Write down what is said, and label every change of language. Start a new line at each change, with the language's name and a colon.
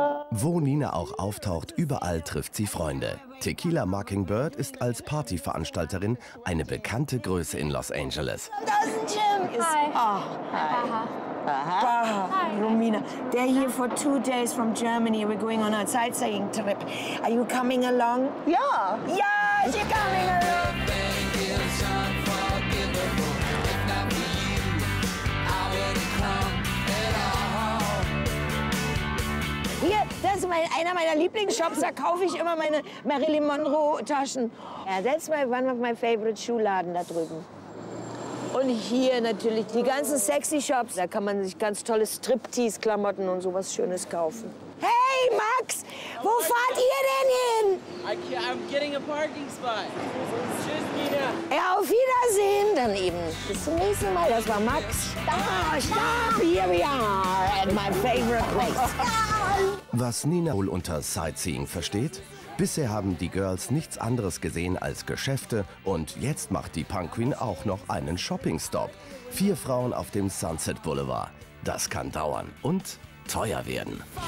German: Wo Nina auch auftaucht, überall trifft sie Freunde. Tequila Mockingbird ist als Partyveranstalterin eine bekannte Größe in Los Angeles. Da ist ein Jim.
English: Hi. Oh, hi. Baha. Romina, they're here for 2 days from Germany. We're going on a sightseeing trip. Are you coming along?
German: Ja.
English: Yes, you're coming along.
German: Hier, das ist einer meiner Lieblingsshops, da kaufe ich immer meine Marilyn Monroe-Taschen. Ja,
English: that's one of my favorite
German: Schuhladen da drüben. Und hier natürlich die ganzen Sexy-Shops. Da kann man sich ganz tolle Striptease-Klamotten und sowas Schönes kaufen. Hey, Max, wo fahrt ihr denn hin?
English: I'm getting a parking spot.
German: Tschüss, Nina. Ja, auf Wiedersehen dann eben. Bis zum nächsten Mal, das war Max.
English: Stop, here we are at my favorite place.
German: Was Nina wohl unter Sightseeing versteht? Bisher haben die Girls nichts anderes gesehen als Geschäfte und jetzt macht die Punk Queen auch noch einen Shopping-Stop. 4 Frauen auf dem Sunset Boulevard. Das kann dauern und teuer werden.